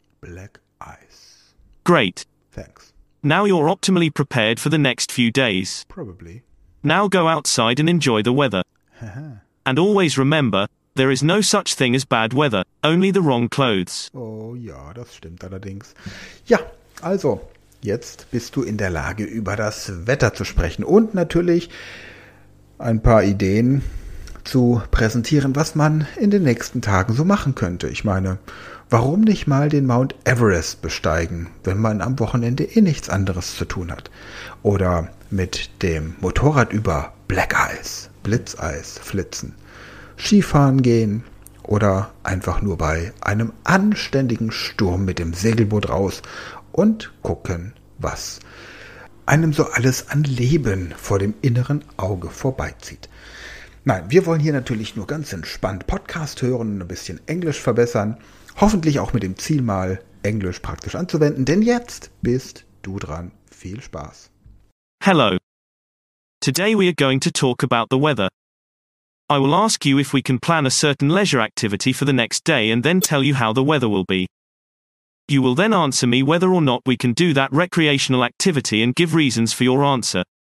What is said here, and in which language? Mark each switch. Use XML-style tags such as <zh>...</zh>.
<en>Black ice. Great. Thanks. Now you're optimally prepared for the next few days. Probably. Now go outside and enjoy the weather. And always remember, there is no such thing as bad weather, only the wrong clothes.</en> <de>Oh ja, das stimmt allerdings. Ja, also, jetzt bist du in der Lage, über das Wetter zu sprechen und natürlich ein paar Ideen zu präsentieren, was man in den nächsten Tagen so machen könnte. Ich meine, warum nicht mal den Mount Everest besteigen, wenn man am Wochenende eh nichts anderes zu tun hat? Oder mit dem Motorrad über Black Ice, Blitzeis flitzen, Skifahren gehen oder einfach nur bei einem anständigen Sturm mit dem Segelboot raus und gucken, was einem so alles an Leben vor dem inneren Auge vorbeizieht. Nein, wir wollen hier natürlich nur ganz entspannt Podcast hören, ein bisschen Englisch verbessern, hoffentlich auch mit dem Ziel, mal Englisch praktisch anzuwenden, denn jetzt bist du dran. Viel Spaß.</de> <en>Hello. Today we are going to talk about the weather. I will ask you if we can plan a certain leisure activity for the next day and then tell you how the weather will be. You will then answer me whether or not we can do that recreational activity and give reasons for your answer.</en>